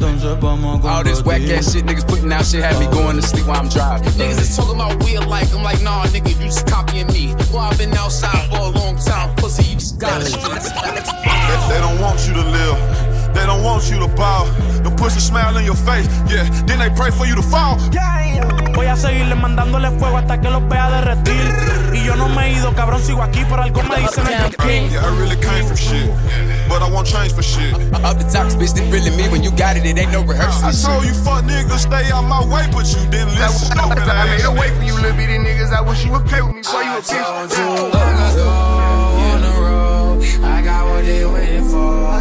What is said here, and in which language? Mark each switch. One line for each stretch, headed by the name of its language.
English: All this whack ass shit niggas putting out shit had me going to sleep while I'm driving. Niggas is talking about weird life. I'm like, nah, nigga, you just copying me. Well, I've been outside for a long time. Pussy, you just gotta they don't want you to live. They don't want you to bow. They push a smile in your face. Yeah, then they pray for you to fall.
Spanish: Voy a seguirle mandándole fuego hasta que los vea derretir. Y yo no me he ido, cabrón, sigo aquí, pero algo me dice que
English: king. Yeah, I really came from shit, but I won't change for shit. Up the top, bitch, this really me. When you got it, it ain't no rehearsal. I told you fuck niggas, stay out my way, but you didn't listen. I made a way for you, little bitty niggas. I wish you would pay with me, so you would pay. I told you, on the road, I got what they waiting for.